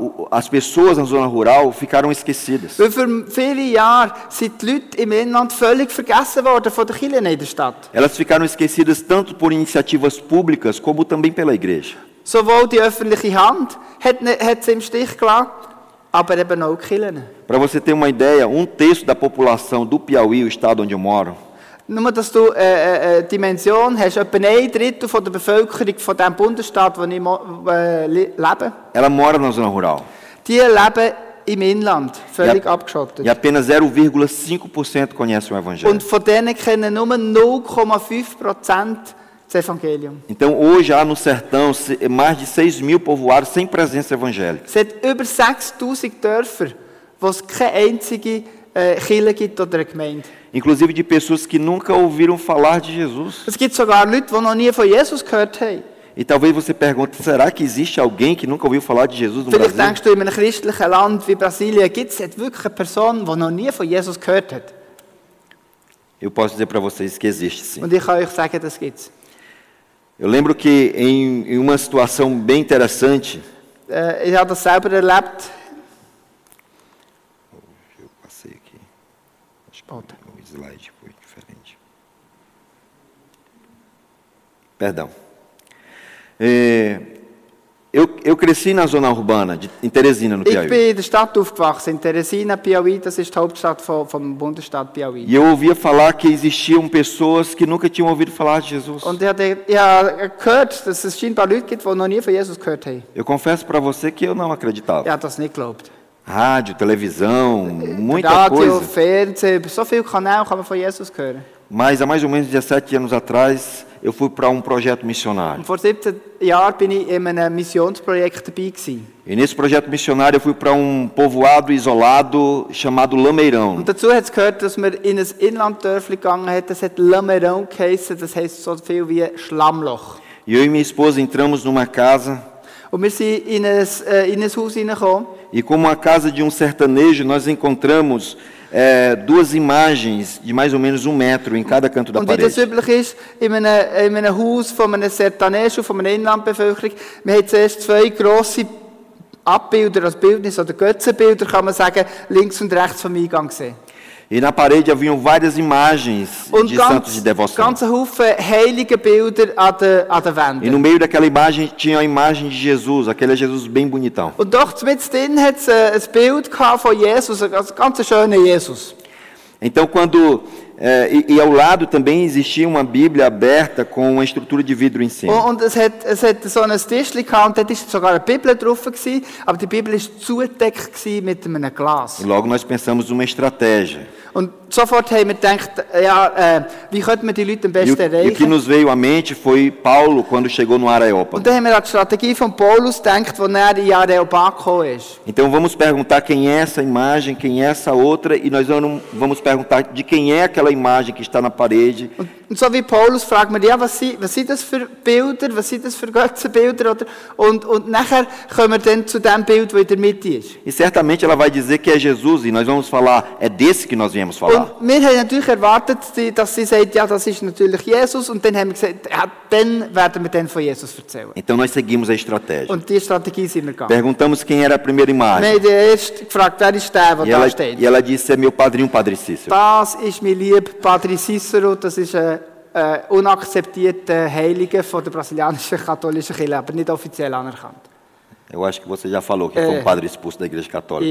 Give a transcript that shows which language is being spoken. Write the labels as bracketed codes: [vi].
[pt] as pessoas na zona rural ficaram esquecidas. [de] Über viele Jahre sind die Leute im Inland völlig vergessen worden von der Kirche in der Stadt. [pt] Elas ficaram esquecidas tanto por iniciativas públicas como também pela igreja. [de] Sowohl die öffentliche Hand hat sie im Stich gelassen, aber eben auch die Kirche. [pt] Para você ter uma ideia, um terço da população do Piauí, o estado onde eu moro, [de] nur, dass du Dimension hast, etwa ein Drittel von der Bevölkerung von dem Bundesstaat, wo ich lebe. [pt] Ela mora na zona rural. [de] Die leben im Inland, völlig abgeschottet. [pt] E apenas 0,5% conhecem o Evangelho. [de] Und von denen kennen nur 0,5% das Evangelium. [pt] Então, hoje há no sertão mais de 6 mil povoados sem presença evangélica. [de] Es hat über 6000 Dörfer, wo es keine einzige Kirche gibt oder eine Gemeinde. [pt] Inclusive de pessoas que nunca ouviram falar de Jesus. [de] Es gibt sogar Leute, die noch nie von Jesus gehört haben. [pt] E talvez você pergunte, será que existe alguém que nunca ouviu falar de Jesus no Brasil? [de] Vielleicht denkst du, in einem christlichen Land wie Brasilien gibt es wirklich eine Person, die noch nie von Jesus gehört hat? [pt] Eu posso dizer para vocês que existe, sim. [de] Und ich kann euch sagen, das gibt's. [pt] Eu lembro que em uma situação bem interessante. [de] Ich habe das selber erlebt. [pt] Eu passei aqui. Volta. Slide foi diferente. Perdão. Eu cresci na zona urbana em Teresina, no Piauí. [de] Ich bin in der Stadt aufgewachsen, in Teresina, Piauí, das ist die Hauptstadt vom Bundesstaat Piauí. [pt] E eu ouvia falar que existiam pessoas que nunca tinham ouvido falar de Jesus. [de] Und ich habe gehört, dass es scheinbar Leute gibt, die noch nie von Jesus gehört haben. [pt] Eu confesso para você que eu não acreditava. [de] Ich habe das nicht geglaubt. [pt] Rádio, televisão, muita [de] Radio, [pt] coisa. [de] Rádio, Fernsehen, so viele Kanäle kann man von Jesus hören. [pt] Mas há mais ou menos 17 anos atrás, eu fui para projeto missionário. [de] Vor 17 Jahren bin ich in einem Missionsprojekt dabei gewesen. [pt] E nesse projeto missionário, eu fui para povoado isolado chamado Lameirão. [de] Und dazu hat es gehört, dass man in ein Inlanddörfli gegangen hat, das hat Lameirão geheißen, das heisst so viel wie Schlammloch. [pt] E eu e minha esposa entramos numa casa. [de] Und wir sind in ein Haus reingekommen. [pt] E como a casa de sertanejo, nós encontramos duas imagens de mais ou menos metro em cada canto da parede. [de] Und wie das üblich ist, in einem Haus von einem Sertanejo, von einer Inlandbevölkerung, wir haben zuerst zwei grosse Abbilder, also Bildnisse oder Götzenbilder, kann man sagen, links und rechts vom Eingang gesehen. [pt] E na parede haviam várias imagens [de] und [pt] de santos de devoção. Um [de] ganzer Haufen heiliger Bilder an der Wand. [pt] E no meio daquela imagem tinha a imagem de Jesus, aquele Jesus bem bonitão. [de] Und doch, mittendrin hat es ein Bild von Jesus, ein ganz schöner Jesus. [pt] Então, quando. E ao lado também existia uma Bíblia aberta com uma estrutura de vidro em cima. [de] Und es hat so ein Tischli gehabt, und dort ist sogar eine Bibel drauf gsi, aber die Bibel ist zugedeckt gsi mit einem Glas. [pt] E logo nós pensamos uma estratégia. [de] Und sofort haben wir gedacht, wie könnten wir die Leute am besten erreichen? [pt] E o que nos veio à mente foi Paulo quando chegou no Areópago. [de] Und dann haben wir an die Strategie von Paulus gedacht, als er in Areopago ist. [pt] Então vamos perguntar quem é essa imagem, quem é essa outra, e nós vamos perguntar de quem é aquela imagem que está na parede. [de] Und so wie Paulus fragt man, was sind das für Bilder, was sind das für Götzenbilder? Und nachher kommen wir dann zu dem Bild, das in der Mitte ist. [pt] E certamente ela vai dizer que é Jesus, e nós vamos falar, é desse que nós viemos falar. [de] Und wir haben natürlich erwartet, dass sie sagt, ja, das ist natürlich Jesus. Und dann haben wir gesagt, ja, dann werden wir dann von Jesus erzählen. [pt] Então nós seguimos a estratégia. [de] Und die Strategie sind wir gegangen. [pt] Perguntamos quem era a primeira imagem. [de] Wir haben erst gefragt, wer ist der, der da steht. [pt] E ela disse, é meu padrinho, Padre Cícero. [de] Das ist mein lieb Padre Cícero, das ist unakzeptierte Heilige von der brasilianischen katholischen Kirche, aber nicht offiziell anerkannt. [pt] Eu acho que você já falou que foi padre expulso da igreja católica.